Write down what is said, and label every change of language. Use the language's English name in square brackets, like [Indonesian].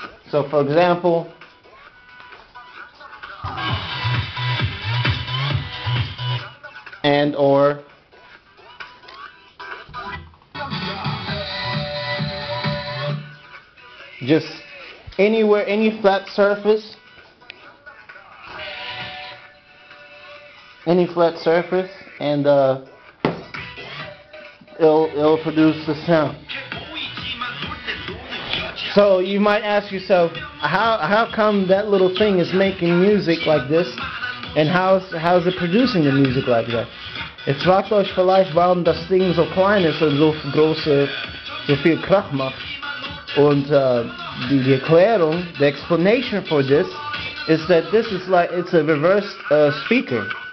[English] So for example, and or just anywhere, any flat surface, and it'll produce the sound. So you might ask yourself, how come that little thing is making music like this, and how's it producing the music like that? [German] Es fragt euch vielleicht, warum das Ding so klein ist und so große, so viel Krach macht. Und die Erklärung, [English] the explanation for this, is that this is like, it's a reversed speaker.